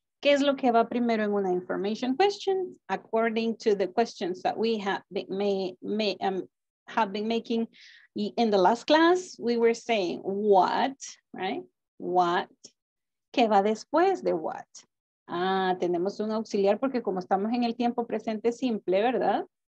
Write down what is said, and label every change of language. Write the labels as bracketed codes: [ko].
[es] ¿Qué es lo que va primero en una information question? [en] According to the questions that we have been making in the last class, we were saying what, right? [es] What? ¿Qué va después de what? Ah, tenemos un auxiliar porque como estamos en el tiempo presente simple, ¿verdad?